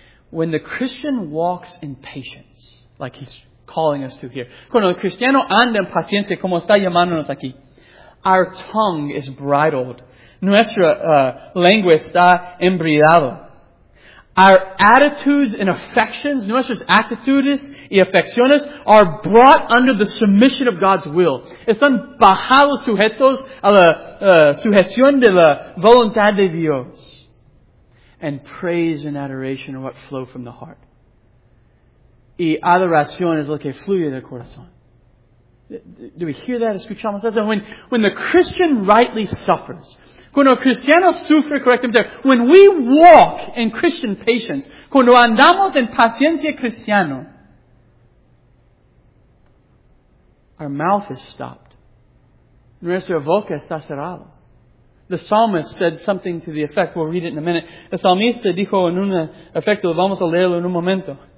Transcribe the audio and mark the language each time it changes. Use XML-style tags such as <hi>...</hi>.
<en>When the Christian walks in patience, like he's calling us to here.</en> <es>Cuando el cristiano anda en paciencia, como está llamándonos aquí.</es> <en>Our tongue is bridled.</en> <es>Nuestra lengua está embridada.</es> <en>Our attitudes and affections,</en> <es>nuestras actitudes y afecciones,</es> <en>are brought under the submission of God's will.</en> <es>Están bajados sujetos a la sujeción de la voluntad de Dios.</es> <en>And praise and adoration are what flow from the heart.</en> <es>Y adoración es lo que fluye del corazón.</es> <en>Do we hear that?</en> <es>Escuchamos eso.</es> <en>When the Christian rightly suffers,</en> <es>cuando el cristiano sufre correctamente,</es> <en>when we walk in Christian patience,</en> <es>cuando andamos en paciencia cristiana,</es> <en>our mouth is stopped.</en> <es>Nuestra boca está cerrada.</es> <en>The psalmist said something to the effect, we'll read it in a minute.</en> <es>El salmista dijo en un efecto, vamos a leerlo en un momento.</es>